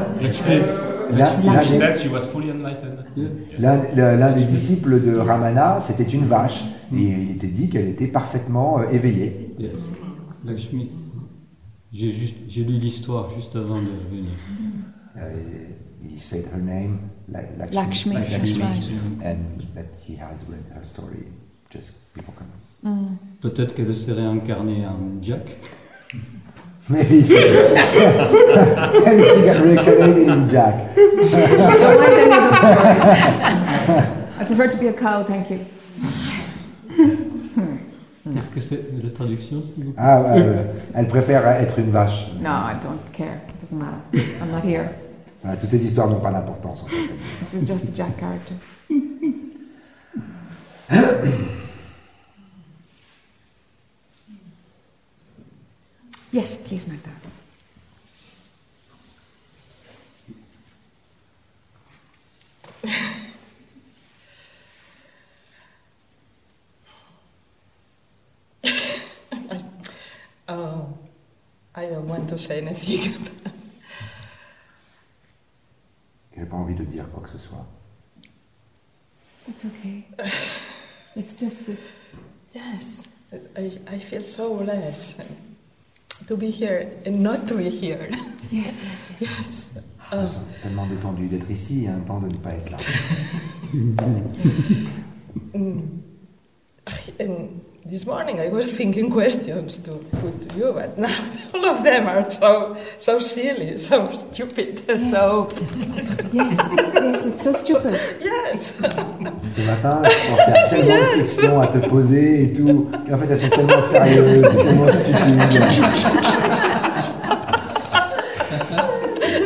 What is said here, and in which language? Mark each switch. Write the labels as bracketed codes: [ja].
[en] She said she was fully enlightened. Yeah. [fr] L'un des disciples de Ramana, c'était une vache. Et il était dit qu'elle était parfaitement éveillée. [en] Yes. [fr] Lakshmi, j'ai lu l'histoire juste avant de venir. [en] He said her name, Lakshmi. Lakshmi, that's right. And that he has read her story just before coming. Mm. [fr] Peut-être qu'elle s'est réincarnée en Jack. [en] Maybe she got reincarnated in Jack. Don't mind any of those stories. I prefer to be a cow, thank you. [fr] Est-ce que c'est la traduction, s'il vous plaît? Elle préfère être une vache. [en] No, I don't care. It doesn't matter. I'm not here. [fr] Toutes ces histoires n'ont pas d'importance. En fait. [en] This is just a Jack character. Yes, please, Magda. I don't want to say anything. [fr] J'ai pas envie de dire quoi que ce soit. [en] It's okay. It's just yes. I feel so blessed to be here and not to be here. Yes. Yes. [fr] Tellement détendu d'être ici et un temps de ne pas être là. [en] This morning I was thinking questions to put to you, but now all of them are so silly, so stupid, yes. So... yes, it's so stupid. Yes. [fr] Ce matin, je pense qu'il y a tellement de questions à te poser et tout. Et en fait, elles sont tellement sérieuses, tellement stupides.